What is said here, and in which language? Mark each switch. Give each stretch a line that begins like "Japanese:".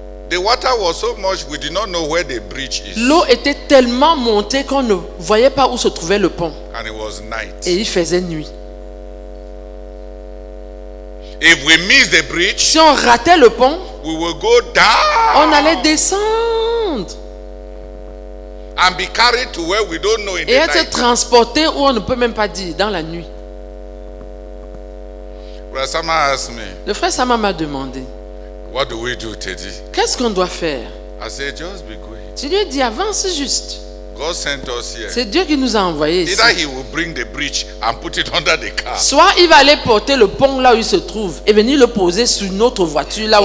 English: The water was so much we did not know where the bridge is.
French: L'eau était tellement montée qu'on ne voyait pas où se trouvait le pont.
English: And it was night.
French: Et il faisait nuit.
English: If we missed the bridge,
French: si on ratait le pont,
English: we would go down.
French: On allait descendre.
English: And be carried to where we don't know in
French: et
English: the night.
French: Et être transporté où on ne peut même pas dire dans la nuit.
English: Brother Sama asked me,
French: le frère Sama m'a demandé.
English: What do we do, Teddy?
French: Qu'est-ce qu'on doit faire?
English: I said, just be going.
French: Tu lui dis, avance juste.
English: God sent us here.
French: C'est Dieu qui nous a envoyés ici.
English: Either he will bring the bridge and put it under the car.
French: Soit il va aller porter le pont là où il se trouve et venir le poser sur notre voiture là où